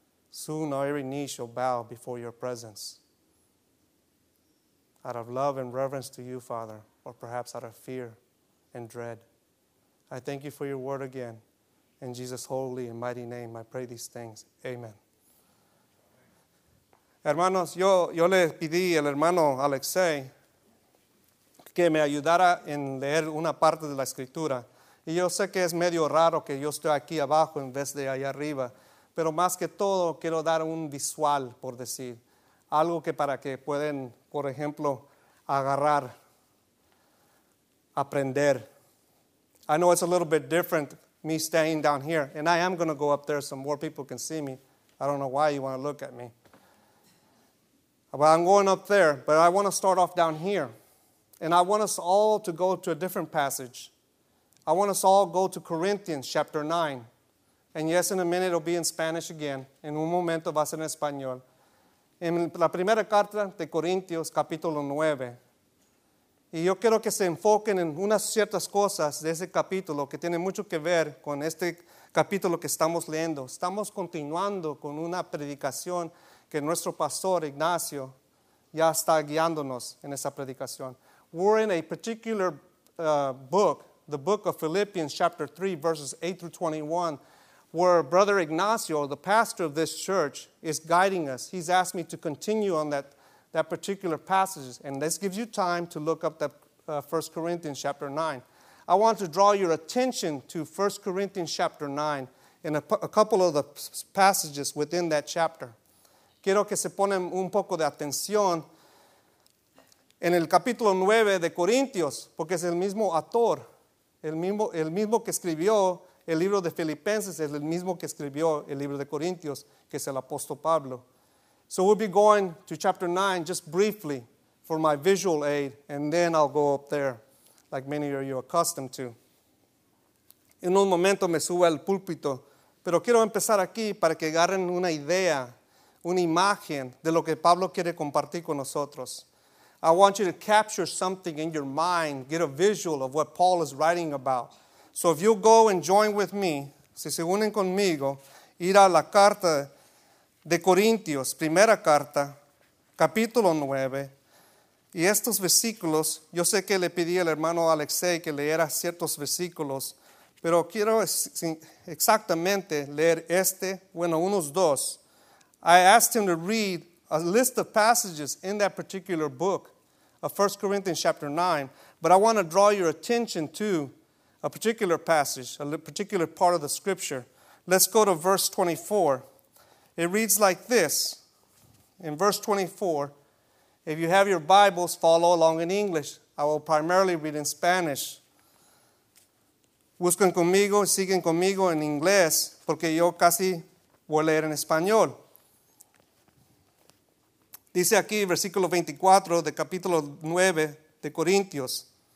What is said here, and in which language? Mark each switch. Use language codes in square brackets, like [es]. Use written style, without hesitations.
[en] Soon every knee shall bow before your presence. Out of love and reverence to you, Father, or perhaps out of fear and dread. I thank you for your word again. In Jesus' holy and mighty name, I pray these things. Amen. [es] Hermanos, yo le pedí al hermano Alexei que me ayudara en leer una parte de la escritura. Y yo sé que es medio raro que yo esté aquí abajo en vez de allá arriba. Pero más que todo, quiero dar un visual, por decir. Algo que para que pueden, por ejemplo, agarrar, aprender. [en] I know it's a little bit different, me staying down here. And I am going to go up there so more people can see me. I don't know why you want to look at me. But I'm going up there, but I want to start off down here. And I want us all to go to a different passage. I want us all to go to Corinthians chapter 9. And yes, in a minute it'll be in Spanish again. [es] En un momento va a ser en español. En la primera carta de Corintios, capítulo 9. Y yo quiero que se enfoquen en unas ciertas cosas de ese capítulo que tienen mucho que ver con este capítulo que estamos leyendo. Estamos continuando con una predicación que nuestro pastor Ignacio ya está guiándonos en esa predicación. [en] We're in a particular book, the book of Philippians, chapter 3, verses 8 through 21, where Brother Ignacio, the pastor of this church, is guiding us. He's asked me to continue on that particular passage, and this gives you time to look up that 1 Corinthians chapter 9. I want to draw your attention to 1 Corinthians chapter 9 and a couple of the passages within that chapter. [es] Quiero que se ponen un poco de atención en el capítulo 9 de Corintios, porque es el mismo autor, el mismo que escribió el libro de Filipenses, es el mismo que escribió el libro de Corintios, que es el apóstol Pablo. [en] So we'll be going to chapter 9 just briefly for my visual aid, and then I'll go up there like many of you are accustomed to. [es] En un momento me subo al púlpito, pero quiero empezar aquí para que agarren una idea, una imagen de lo que Pablo quiere compartir con nosotros. [en] I want you to capture something in your mind, get a visual of what Paul is writing about. So if you'll go and join with me, [es] si se unen conmigo, ir a la carta de Corintios, primera carta, capítulo 9, y estos versículos, yo sé que le pedí al hermano Alexei que leyera ciertos versículos, pero quiero exactamente leer este, bueno, unos dos. [en] I asked him to read a list of passages in that particular book of 1 Corinthians chapter 9, but I want to draw your attention to a particular passage, a particular part of the scripture. Let's go to verse 24. It reads like this, in verse 24, if you have your Bibles, follow along in English. I will primarily read in Spanish. [es] Busquen conmigo, siguen conmigo en inglés, porque yo casi voy a leer en español. Dice aquí, versículo 24 de capítulo 9 de Corintios.